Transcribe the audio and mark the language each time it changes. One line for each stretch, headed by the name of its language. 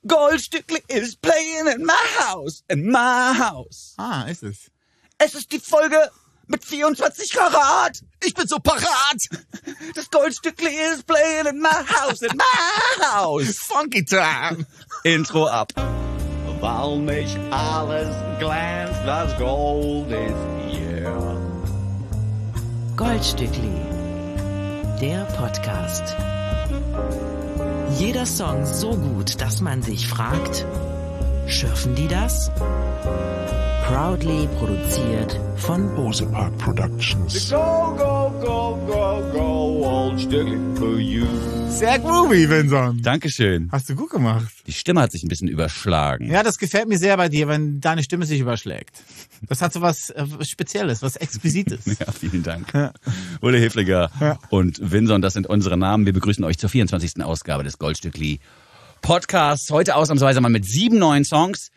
English: Goldstückli is playing in my house. In my house.
German: Ah, ist es. Es ist die Folge mit 24 Karat. Ich bin so parat.
English: Das Goldstückli is playing in my house. In my house. Funky time.
German: Intro ab. Weil mich alles glänzt, das Gold ist hier. Goldstückli. Der Podcast. Jeder Song so gut, dass man sich fragt, schürfen die das? Proudly produziert von Bose Park Productions.
English: Go, go, go, go, go, Goldstückli for you.
German: Sehr groovy, Vinson. Dankeschön. Hast du gut gemacht. Die Stimme hat sich ein bisschen überschlagen. Ja, das gefällt mir sehr bei dir, wenn deine Stimme sich überschlägt. Das hat so was Spezielles, was Exquisites. Ja, vielen Dank. Ja. Ulle Hefliger und Vinson, das sind unsere Namen. Wir begrüßen euch zur 24. Ausgabe des Goldstückli Podcast, heute ausnahmsweise mal mit 7 neuen Songs.